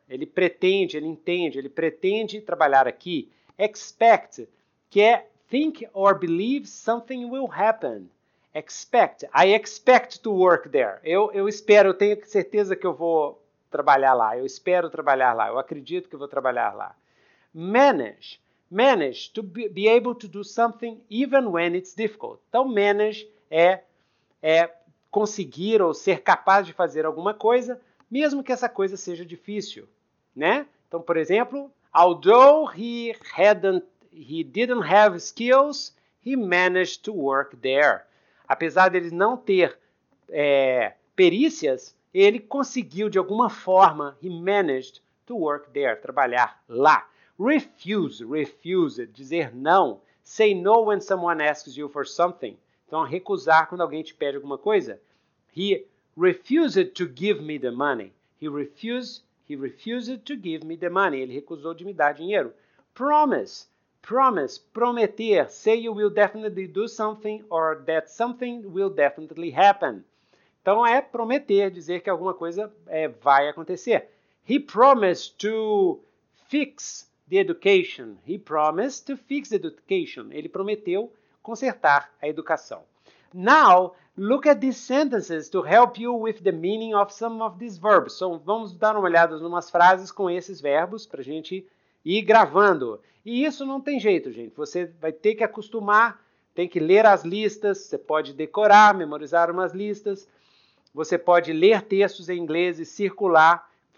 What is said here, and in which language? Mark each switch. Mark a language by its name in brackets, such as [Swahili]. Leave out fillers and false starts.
[Portuguese] Ele pretende, ele entende, ele pretende trabalhar aqui. [English] Expect, [Portuguese] que é [English] think or believe something will happen. Expect. I expect to work there. [Portuguese] Eu tenho certeza que eu vou trabalhar lá. Eu espero trabalhar lá. Eu acredito que eu vou trabalhar lá. [English] Manage. Manage to be able to do something even when it's difficult. [Portuguese] Então, manage é conseguir ou ser capaz de fazer alguma coisa, mesmo que essa coisa seja difícil. Né? Então, por exemplo, [English] although he didn't have skills, he managed to work there. [Portuguese] Apesar de ele não ter perícias, ele conseguiu, de alguma forma, [English] he managed to work there, [Portuguese] trabalhar lá. Refuse, refuse, dizer não. [English] Say no when someone asks you for something. [Portuguese] Então, recusar quando alguém te pede alguma coisa. [English] He refused to give me the money. He refused to give me the money. [Portuguese] Ele recusou de me dar dinheiro. Promise, promise, prometer. [English] Say you will definitely do something or that something will definitely happen. [Portuguese] Então, é prometer, dizer que alguma coisa vai acontecer. [English] He promised to fix the education. He promised to fix the education. [Portuguese] Ele prometeu consertar a educação. [English] Now, look at these sentences to help you with the meaning of some of these verbs. [Portuguese] So, vamos dar uma olhada em umas frases com esses verbos para a gente ir gravando. E isso não tem jeito, gente. Você vai ter que acostumar, tem que ler as listas. Você pode decorar, memorizar umas listas. Você pode ler textos em inglês e circular.